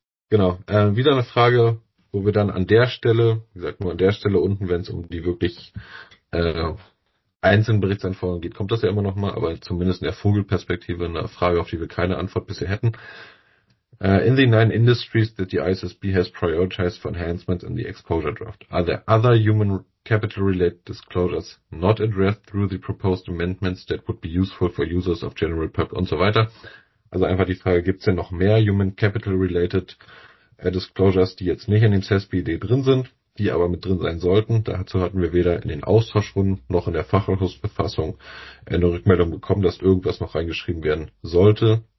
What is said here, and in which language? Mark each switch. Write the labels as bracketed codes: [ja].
[de] Wieder eine Frage, wo wir dann an der Stelle, wie gesagt, nur an der Stelle unten, wenn es um die wirklich einzelnen Berichtsanforderungen geht, kommt das ja immer noch mal, aber zumindest in der Vogelperspektive eine Frage, auf die wir keine Antwort bisher hätten. [en] In the 9 industries that the ISSB has prioritized for enhancements in the exposure draft, are there other human capital-related disclosures not addressed through the proposed amendments that would be useful for users of general purpose und so weiter? [de] Also einfach die Frage, gibt es denn noch mehr human capital-related disclosures, die jetzt nicht in dem CESBID drin sind, die aber mit drin sein sollten? Dazu hatten wir weder in den Austauschrunden noch in der Fachausschussbefassung eine Rückmeldung bekommen, dass irgendwas noch reingeschrieben werden sollte.